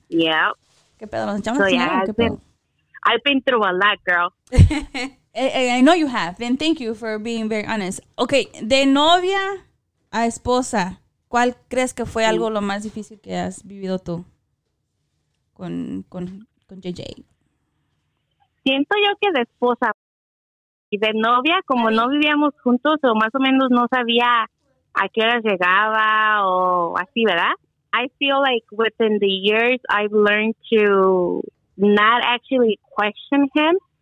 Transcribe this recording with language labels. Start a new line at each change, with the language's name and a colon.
Spanish: Yeah. ¿Qué pedo? ¿Nos echamos so, yeah, ¿qué pedo?
English: I've been through a lot, girl. I know you have, and thank you for being very honest.
Spanish: Okay, de novia a esposa, ¿cuál crees que fue algo lo más difícil que has vivido tú con JJ? Siento yo que de esposa y de novia, como no vivíamos juntos, o más o menos no sabía a qué hora llegaba o así, ¿verdad?
English: I feel like within the years, I've learned to not actually question him.